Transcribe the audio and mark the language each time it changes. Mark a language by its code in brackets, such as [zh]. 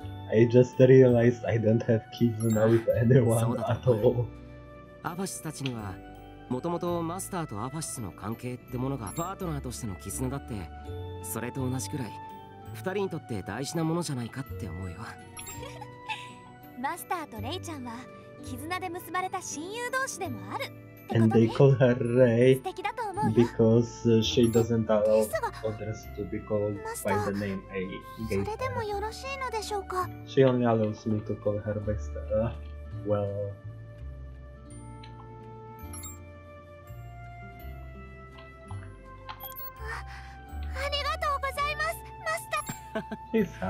[en] I just realized I don't have kizuna with anyone at all. [ja] アバシスたちにはもともとマスターとアバシスの関係ってものがパートナーとしての絆だって、それと同じくらい二人にとって大事なものじゃないかって思うよ。マスターとレイちゃんは絆で結ばれた親友同士でもあるって [en] ことね。 And they call her Rei. [ja] 素敵だと思う。 [en] Because she doesn't allow others to be called by the name I gave her. [ja] それでもよろしいのでしょうか。 [en] She only allows me to call her by star. Well. [ja] ありがとうございます、マスター